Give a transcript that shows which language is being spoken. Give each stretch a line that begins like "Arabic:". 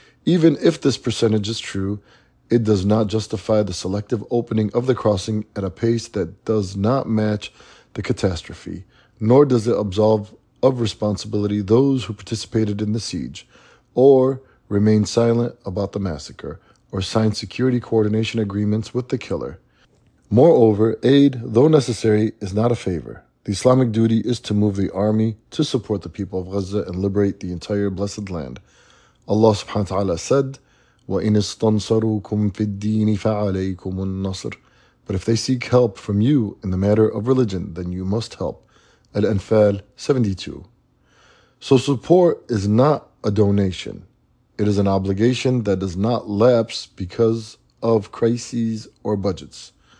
English: Even if this percentage is true, it does not justify the selective opening of the crossing at a pace that does not match the catastrophe, nor does it absolve of responsibility those who participated in the siege, or remain silent about the massacre, or sign security coordination agreements with the killer. Moreover, aid, though necessary, is not a favor. The Islamic duty is to move the army to support the people of Gaza and liberate the entire blessed land. Allah subhanahu wa ta'ala said,
Arabic: وَإِنْ اسْتَنْصَرُوكُمْ فِي الدِّينِ فَعَلَيْكُمُ النَّصْرُ.
English: But if they seek help from you in the matter of religion, then you must help. Al-Anfal 72. So support is not a donation. It is an obligation that does not lapse because of crises or budgets.